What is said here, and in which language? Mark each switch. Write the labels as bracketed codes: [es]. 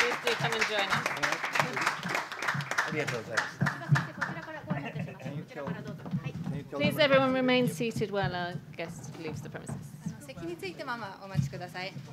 [ja] ありがとうございます。 [en] Please everyone remain seated while our guest leaves the premises. [ja] 席についてままお待ちください。